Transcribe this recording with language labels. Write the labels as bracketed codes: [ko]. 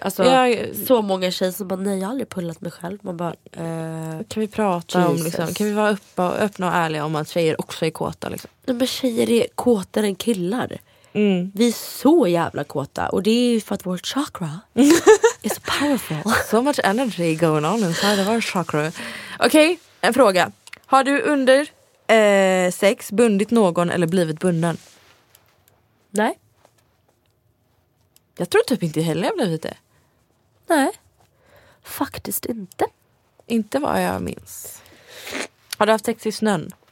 [sv] Alltså, jag, så många tjejer som bara, nej, jag har aldrig pullat mig själv. Man bara, kan vi prata Jesus. Om, liksom, kan vi vara öppna och ärliga om att tjejer också är kåta? Liksom? Men tjejer är kåtare än killar. Mm. Vi är så jävla kåta. Och det är ju för att vårt chakra är så powerful. [en] So much energy going on inside of our chakra. [sv] Okej, en fråga. Har du under... sex, bundit någon eller blivit bunden? Nej. Jag tror typ inte heller jag blivit det. Nej. Faktiskt inte. Inte vad jag minns. Har du haft sex i snön?